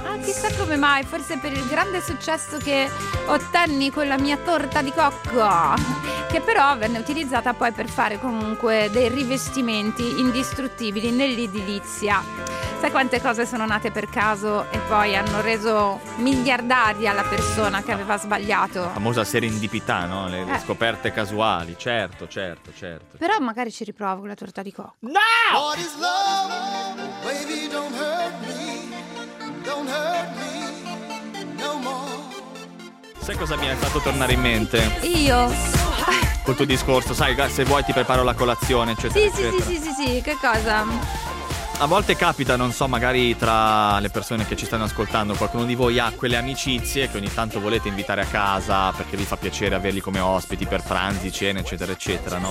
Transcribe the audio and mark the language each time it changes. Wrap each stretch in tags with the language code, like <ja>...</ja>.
<it>Chissà come mai, forse per il grande successo che ottenni con la mia torta di cocco, che però venne utilizzata poi per fare comunque dei rivestimenti indistruttibili nell'edilizia. Sai quante cose sono nate per caso e poi hanno reso miliardaria la persona che aveva sbagliato? La famosa serendipità, no? Le scoperte casuali, certo. Però magari ci riprovo con la torta di cocco.</it> <en>No! What is love? Baby, don't hurt me. Don't hurt me no more.</en> <it>Sai cosa mi hai fatto tornare in mente? Io? Col tuo discorso, sai, se vuoi ti preparo la colazione, eccetera, sì, eccetera. Sì, che cosa? A volte capita, non so, magari tra le persone che ci stanno ascoltando, qualcuno di voi ha quelle amicizie che ogni tanto volete invitare a casa perché vi fa piacere averli come ospiti per pranzi, cene, eccetera, eccetera, no?</it>